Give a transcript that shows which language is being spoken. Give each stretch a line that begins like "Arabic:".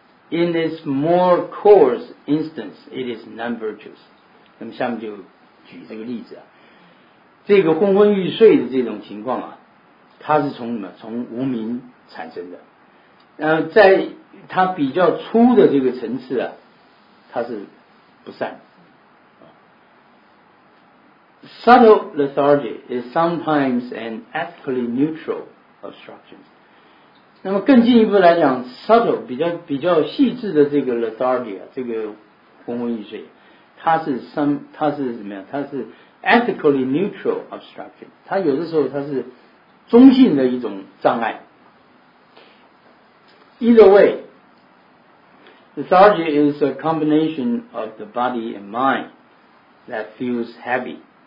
English: in this more coarse instance, it is non-virtuous.
Chinese: 那么下面就举这个例子啊，这个昏昏欲睡的这种情况啊，它是从什么？从无明产生的。在它比较粗的这个层次啊，它是不善。
English: Subtle lethargy is sometimes an ethically neutral obstruction.
Chinese: 那么更进一步来讲 ，subtle 比较细致的这个 lethargy 啊，这个昏昏欲睡，它是怎么样？它是
English: ethically neutral obstruction.
Chinese: 它有的时候它是中性的一种障碍。
English: Either way, lethargy is a combination of the body and mind that feels heavy.